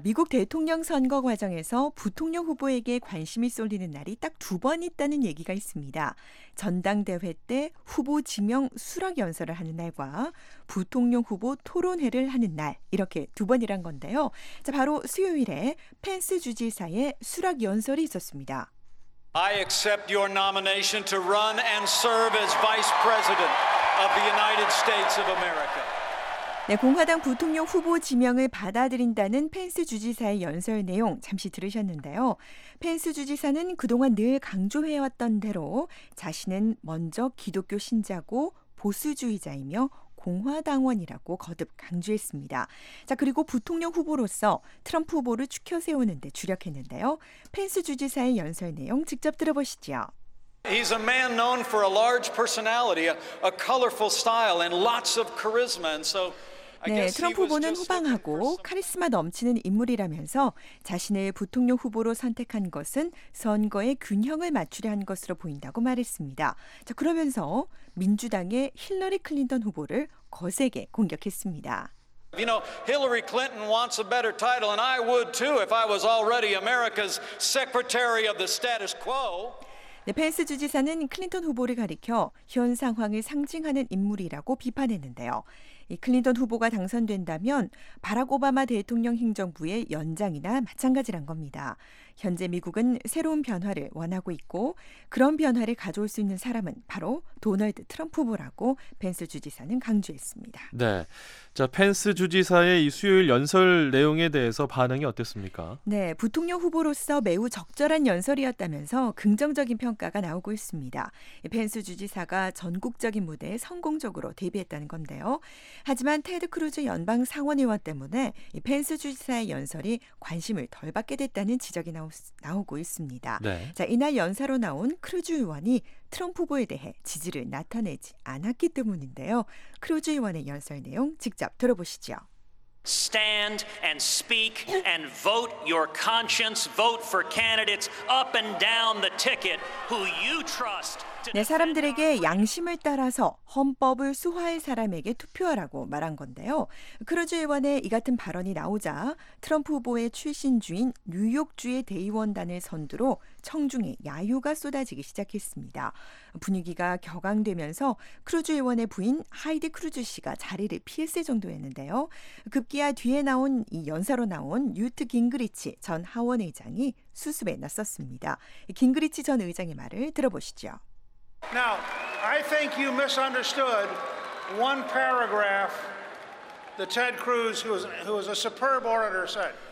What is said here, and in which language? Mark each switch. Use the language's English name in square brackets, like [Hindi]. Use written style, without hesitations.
[Korean] 미국 대통령 선거 과정에서 부통령 후보에게 관심이 쏠리는 날이 딱 두 번 있다는 얘기가 있습니다. 전당대회 때 후보 지명 수락 연설을 하는 날과 부통령 후보 토론회를 하는 날, 이렇게 두 번이란 건데요. 자, 바로 수요일에 펜스 주지사의 수락 연설이 있었습니다. [English] I accept your nomination to run and serve as Vice President of the United States of America. [Korean] 네, 공화당 부통령 후보 지명을 받아들인다는 펜스 주지사의 연설 내용 잠시 들으셨는데요. 펜스 주지사는 그동안 늘 강조해왔던 대로 자신은 먼저 기독교 신자고 보수주의자이며 공화당원이라고 거듭 강조했습니다. 자, 그리고 부통령 후보로서 트럼프 후보를 추켜 세우는 데 주력했는데요. 펜스 주지사의 연설 내용 직접 들어보시죠. [English] He's a man known for a large personality, a colorful style and lots of charisma. And so [Korean] 네, 트럼프 후보는 후방하고 카리스마 넘치는 인물이라면서 자신을 부통령 후보로 선택한 것은 선거의 균형을 맞추려 한 것으로 보인다고 말했습니다. 자, 그러면서 민주당의 힐러리 클린턴 후보를 거세게 공격했습니다. [English] You know, Hillary Clinton wants a better title and I would too if I was already America's Secretary of the Status Quo. [Korean] 네, 펜스 주지사는 클린턴 후보를 가리켜 현 상황을 상징하는 인물이라고 비판했는데요. 이 클린턴 후보가 당선된다면 바락 오바마 대통령 행정부의 연장이나 마찬가지란 겁니다. 현재 미국은 새로운 변화를 원하고 있고 그런 변화를 가져올 수 있는 사람은 바로 도널드 트럼프 후보라고 펜스 주지사는 강조했습니다. 네. 자, 펜스 주지사의 이 수요일 연설 내용에 대해서 반응이 어땠습니까? 네, 부통령 후보로서 매우 적절한 연설이었다면서 긍정적인 평가가 나오고 있습니다. 펜스 주지사가 전국적인 무대에 성공적으로 데뷔했다는 건데요. 하지만 테드 크루즈 연방 상원의원 때문에 펜스 주지사의 연설이 관심을 덜 받게 됐다는 지적이 나오고 있습니다. 네. 자, 이날 연사로 나온 크루즈 의원이 트럼프 후보에 대해 지지를 나타내지 않았기 때문인데요. 크루즈 의원의 연설 내용 직접 들어보시죠. [English] Stand and speak and vote your conscience. Vote for candidates up and down the ticket who you trust. [Korean] 네, 사람들에게 양심을 따라서 헌법을 수호할 사람에게 투표하라고 말한 건데요. 크루즈 의원의 이 같은 발언이 나오자 트럼프 후보의 출신주인 뉴욕주의 대의원단을 선두로 청중의 야유가 쏟아지기 시작했습니다. 분위기가 격앙되면서 크루즈 의원의 부인 하이디 크루즈 씨가 자리를 피했을 정도였는데요. 급기야 뒤에 나온 이 연사로 나온 뉴트 깅그리치 전 하원의장이 수습에 나섰습니다. 깅그리치 전 의장의 말을 들어보시죠. [English] Now, I think you misunderstood one paragraph that Ted Cruz, who was a superb orator, said.